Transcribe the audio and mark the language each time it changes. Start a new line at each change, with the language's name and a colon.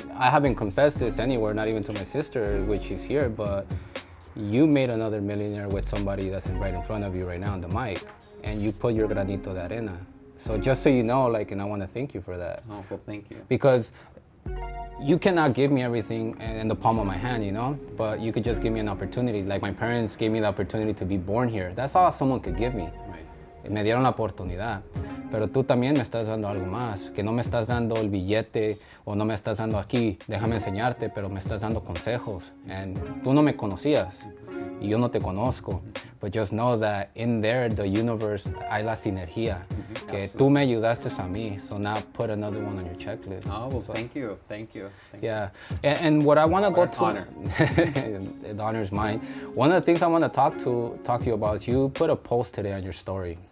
English: I haven't confessed this anywhere, not even to my sister, which is here, but you made another millionaire with somebody that's right in front of you right now on the mic, and you put your granito de arena. So just so you know, like, and I want to thank you for that. Oh, well, thank you. Because you cannot give me everything in the palm of my hand, you know, but you could just give me an opportunity. Like my parents gave me the opportunity to be born here. That's all someone could give me. Right.
Spanish: Me dieron la oportunidad. Pero tú también me estás dando algo más, que no me estás dando el billete o no me estás dando aquí, déjame enseñarte, pero me estás dando consejos. And tú no me conocías y yo no te conozco.
English: But just know that in there, the universe, hay la sinergia. Mm-hmm.
Spanish: Que tú me ayudaste a mí.
English: So now put another one on your checklist. Oh, well, so, thank you. Yeah. And what I want to go to. Honor. The honor is mine. Mm-hmm. One of the things I want to talk to you about is you put a post today on your story.